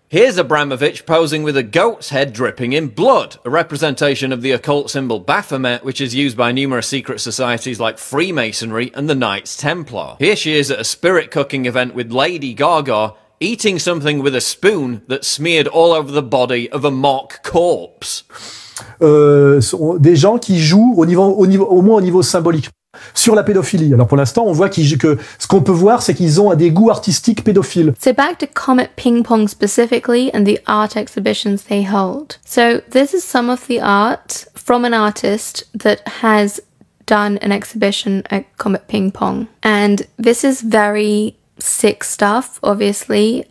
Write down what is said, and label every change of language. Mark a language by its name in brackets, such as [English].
[English] Here's Abramovic posing with a goat's head dripping in blood, a representation of the occult symbol Baphomet, which is used by numerous secret societies like Freemasonry and the Knights Templar. Here she is at a spirit cooking event with Lady Gaga, eating something with a spoon that's smeared all over the body of a mock corpse. [French] Des gens qui jouent au moins au niveau symbolique. Sur la pédophilie. Alors pour l'instant, on voit que ce qu'on peut voir, c'est qu'ils ont des goûts artistiques pédophiles. [English] So back to Comet Ping Pong specifically and the art exhibitions they hold. So this is some of the art from an artist that has done an exhibition at Comet Ping Pong. And this is very sick stuff, obviously.